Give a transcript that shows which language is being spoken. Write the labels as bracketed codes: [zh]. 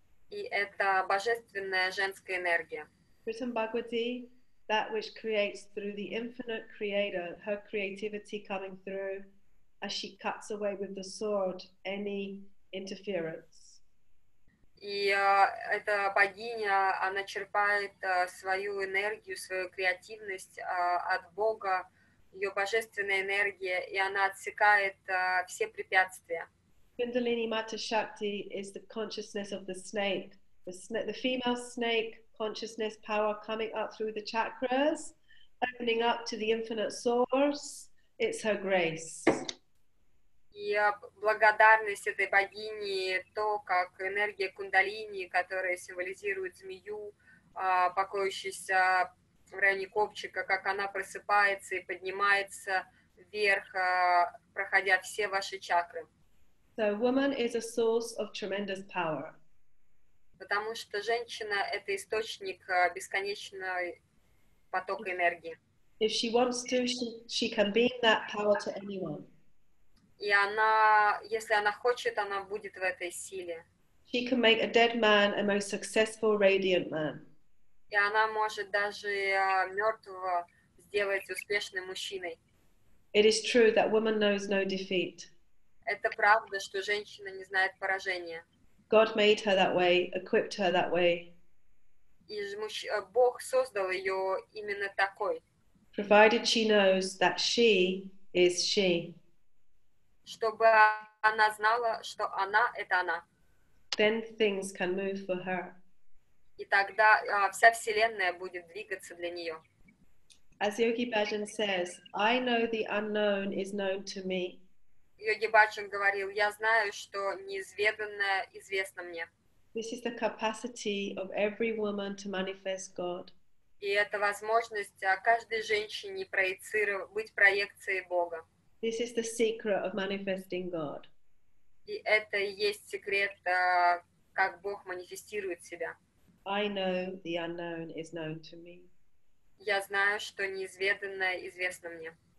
[ru] И это божественная женская энергия. [en] Pritam Bhagavati, that which creates through the infinite creator, her creativity coming through as she cuts away with the sword any interference. [ru] И эта богиня, она черпает свою энергию, свою креативность от Бога, ее божественная энергия, и она отсекает все препятствия. [en] Kundalini Mata Shakti is the consciousness of the snake. The female snake consciousness power coming up through the chakras, opening up to the infinite source, it's her grace. [ru] И благодарность этой богини, то, как энергия кундалини, которая символизирует змею, покоящейся в районе копчика, как она просыпается и поднимается вверх, проходя все ваши чакры. [en] So woman is a source of tremendous power. [ru] Потому что женщина — это источник бесконечного потока энергии. [en] If she wants to, she can beam that power to anyone. [ru] И она, если она хочет, она будет в этой силе. [en] She can make a dead man a most successful, radiant man. [ru] И она может даже мертвого сделать успешным мужчиной. [en] It is true that woman knows no defeat. [ru] Это правда, что женщина не знает поражения. [en] God made her that way, equipped her that way. [ru] И Бог создал ее именно такой. [en] Provided she knows that she is she. [ru] Чтобы она знала, что она — это она. [en] Then things can move for her. [ru] И тогда вся вселенная будет двигаться для нее. [en] As Yogi Bhajan says, I know the unknown is known to me. [ru] Йоги Баджан говорил, я знаю, что неизведанное известно мне. [en] This is the capacity of every woman to manifest God. [ru] И это возможность каждой женщине быть проекцией Бога. [en] This is the secret of manifesting God. [ru] И это и есть секрет, как Бог манифестирует себя. [en] I know the unknown is known to me. [ru] Я знаю, что неизведанное известно мне.